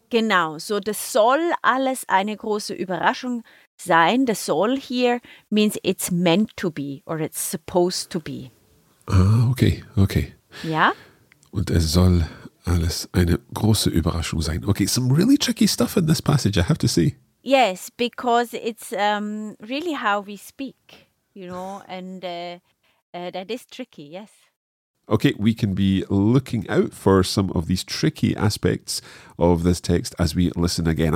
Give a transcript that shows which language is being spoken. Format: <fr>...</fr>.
<en>Genau, so das soll alles eine große Überraschung sein. The soll here means it's meant to be or it's supposed to be. Ah, okay.</en> <de>Ja? Und es soll alles eine große Überraschung sein.</de> <en>Okay, some really tricky stuff in this passage, I have to say. Yes, because it's really how we speak, you know, and that is tricky, yes. Okay, we can be looking out for some of these tricky aspects of this text as we listen again.</en>